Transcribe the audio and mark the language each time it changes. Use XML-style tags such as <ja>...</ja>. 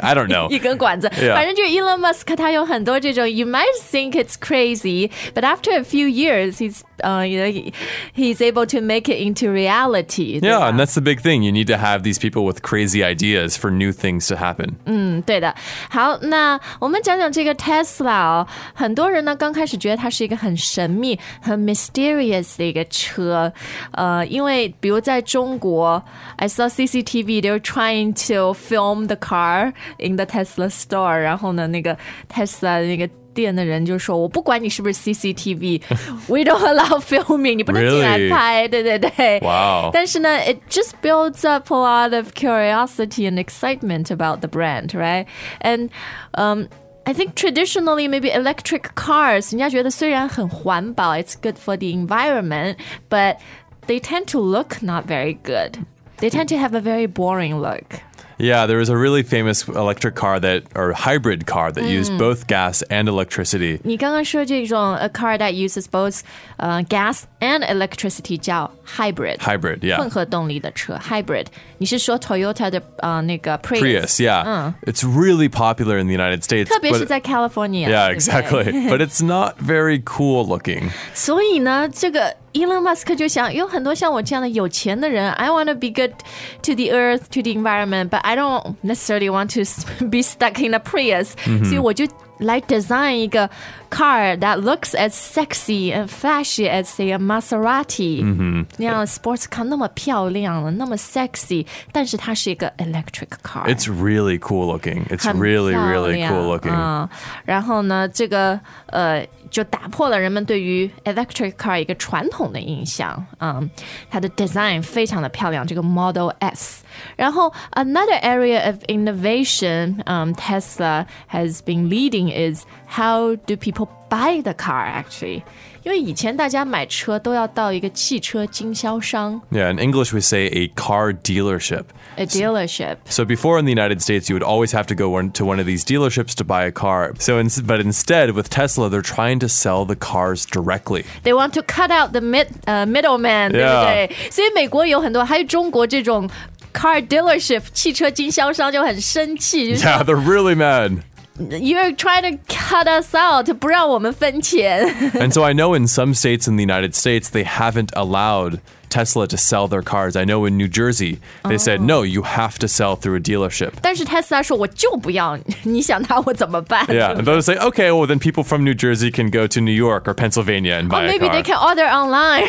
<en>I don't know.</en> <zh>一根管子.</zh> <en>Yeah.</en> <zh>反正就是</zh> <en>Elon Musk</en> <zh>他有很多这种,</zh> <en>you might think it's crazy, but after a few years, he's he's able to make it into reality. Yeah, and that's the big thing. You need to have these people with crazy ideas for new things to happen.</en> <zh>嗯,对的。好,那我们讲讲这个 Tesla, 很多人呢刚开始觉得它是一个很神秘, 很 mysterious 的一个车, 因为比如在中国,</zh> <en>I saw CCTV, they were trying to film the car in the Tesla store,</en> <zh>然后呢那个 Tesla 那个 店的人就说, 我不管你是不是CCTV,</zh> <en>we don't allow filming,</en> <zh>你不能进来拍,</zh> <en>really?</en> <zh>对对对,</zh> <en>wow.</en> <zh>但是呢,</zh> <en>it just builds up a lot of curiosity and excitement about the brand, right? And I think traditionally, maybe electric cars,</en> <zh>人家觉得虽然很环保,</zh> <en>it's good for the environment, but they tend to look not very good. They tend to have a very boring look. Yeah, there was a really famous electric car that, or hybrid car that used both gas and electricity.</en> <zh>你刚刚说这种,</zh> <en>a car that uses both gas and electricity, 叫 hybrid. Hybrid, yeah.</en> <zh>混合动力的车, hybrid. 你是说 Toyota的 那个 Prius?</zh> <en>Prius, yeah. It's really popular in the United States.</en> <zh>特别是在 California.</zh> <en>Yeah, exactly. But it's not very cool looking.</en> <zh>所以呢,这个 Elon Musk 就想, 有很多像我这样的有钱的人,</zh> <en>I want to be good to the earth, to the environment, but I don't necessarily want to be stuck in a Prius. Mm-hmm.</en> <zh>所以我就来</zh> <en>design 一个 car that looks as sexy and flashy as, say, a Maserati. Mm-hmm.</en> <zh>那样 sports car 那么漂亮, 那么sexy, 但是它是一个 electric car.</zh> <en>It's really cool looking. It's really, really cool looking.</en> <zh>然后呢,这个 就打破了人们对于 electric car 一个传统的印象, 它的design非常的漂亮, 这个 Model S. 然后</zh> <en>another area of innovation Tesla has been leading is how do people buy the car actually?</en> <zh>因为以前大家买车都要到一个汽车经销商。</zh> <en>Yeah, in English we say a car dealership. A dealership. So before in the United States, you would always have to go to one of these dealerships to buy a car. But instead, with Tesla, they're trying to sell the cars directly. They want to cut out the middleman,</en> <zh>对不对? 所以美国有很多, 还有中国这种 car dealership, 汽车经销商就很生气, 就是说,</zh> <en>yeah, they're really mad. You're trying to cut us out,</en> <zh>不让我们分钱.</zh> <en>And so I know in some states in the United States, they haven't allowed Tesla to sell their cars. I know in New Jersey, they said, no, you have to sell through a dealership.</en> <zh>但是Tesla说,我就不要,</zh> <en>你想他我怎么办? Yeah, and they'll say, okay, well then people from New Jersey can go to New York or Pennsylvania and buy a car. Maybe they can order online.</en>